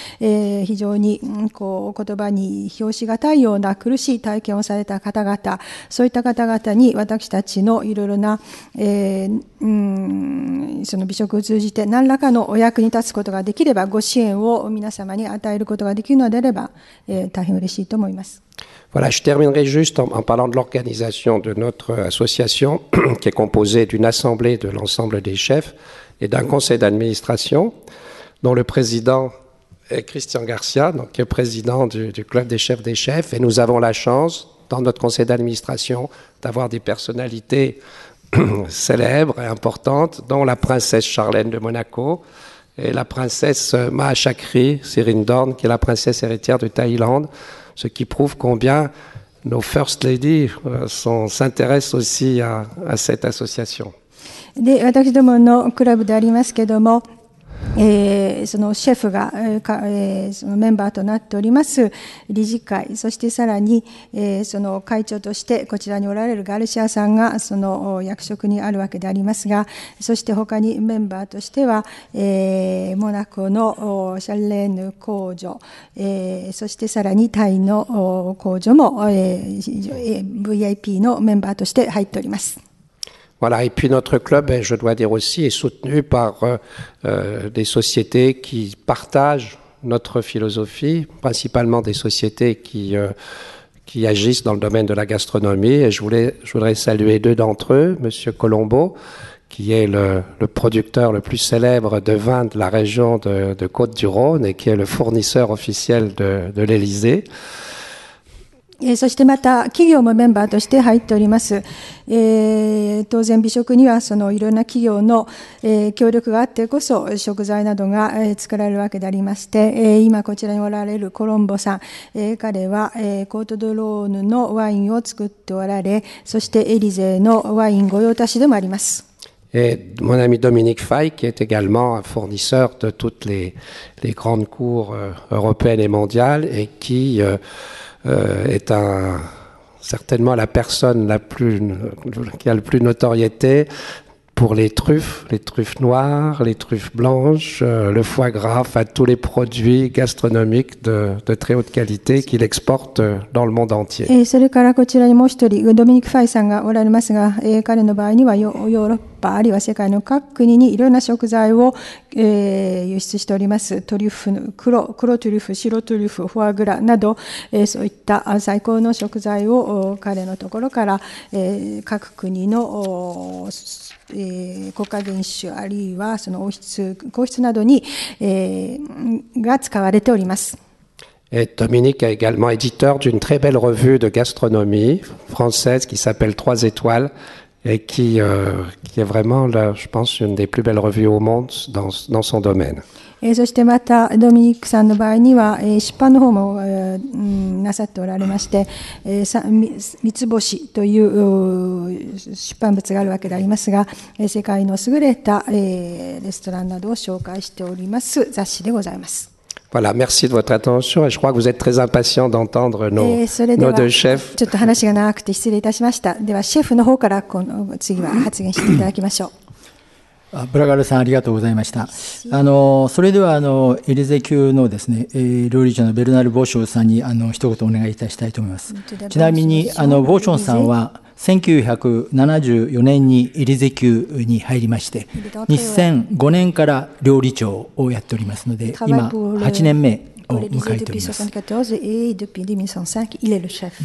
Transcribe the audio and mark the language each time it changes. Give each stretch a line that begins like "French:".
Japanese: 非常にこう言葉に表しがたいような苦しい体験をされた方々、そういった方々に私たちのいろいろな、その美食を通じて何らかのお役に立つことができれば、ご支援を皆様に与えることができるのであれば、大変嬉しいと思います。
French: Voilà, je terminerai juste en parlant de l'organisation de notre association, qui est composée d'une assemblée de l'ensemble des chefs et d'un conseil d'administration, dont le président est Christian Garcia, donc qui est président du club des chefs des chefs, et nous avons la chance dans notre conseil d'administration d'avoir des personnalités célèbres et importantes, dont la princesse Charlène de Monaco et la princesse Maha Chakri Sirindorn, qui est la princesse héritière de Thaïlande, ce qui prouve combien nos
English: first ladies
French: s'intéressent aussi à cette association.
Japanese: で、私どものクラブでありますけども、そのシェフが、そのメンバーとなっております理事会、そしてさらに、その会長としてこちらにおられるガルシアさんがその役職にあるわけでありますが、そして他にメンバーとしては、モナコのシャルレーヌ公女、そしてさらにタイの公女も、VIP のメンバーとして入っております。
French: Voilà, et puis notre club, je dois dire aussi, est soutenu par des sociétés qui partagent notre philosophie, principalement des sociétés qui agissent dans le domaine de la gastronomie. Et je voudrais saluer deux d'entre eux, Monsieur Colombo, qui est le producteur le plus célèbre de vin de la région de Côte-du-Rhône et qui est le fournisseur officiel de l'Élysée.
Japanese: そしてまた企業もメンバーとして入っております。当然美食にはそのいろんな企業の協力があってこそ食材などが作られるわけでありまして、今こちらにおられるコロンボさん、彼はコートドローヌのワインを作っておられ、そしてエリゼのワイン御用達でもあります。
French: Et mon ami Dominique Fay, qui est également un fournisseur de toutes les grandes cours européennes et mondiales, et qui est certainement la personne qui a le plus notoriété pour les truffes noires, les truffes blanches, le foie gras, enfin tous les produits gastronomiques de très haute qualité qu'il exporte dans le monde entier. Et
Japanese: それからこちらにもう一人、ドミニク・ファイさんがおられますが、彼の場合にはヨーロッパあるいは世界の各国にいろんな食材を輸出しております。トリュフ、黒トリュフ、白トリュフ、フォアグラなど、そういった最高の食材を彼のところから、各国の国家元首あるいはその王室、皇室などに、が使われております。
French: Et Dominique est également éditeur d'une très belle revue de gastronomie française qui s'appelle 3 étoiles et qui est vraiment, là, je pense, une des plus belles revues au monde dans son domaine. Et
Japanese: そしてまたドミニクさんの場合には出版の方もなさっておられまして、三つ星という出版物があるわけでありますが、世界の優れたレストランなどを紹介しております雑誌でございます。
French: Voilà, merci de votre attention et je crois que vous êtes très impatient d'entendre nos deux chefs.
Japanese: ちょっと話が長くて失礼いたしました。ではシェフの方からこの次は発言していただきましょう。ブラガルさん、ありがとうございました。それではエリゼ宮のですね、料理長のベルナル・ボーションさんに一言お願いいたしたいと思います。ちなみにボーションさんは1974年にエリゼ宮に入りまして、2005年から料理長をやっておりますので、今8年目を迎えております。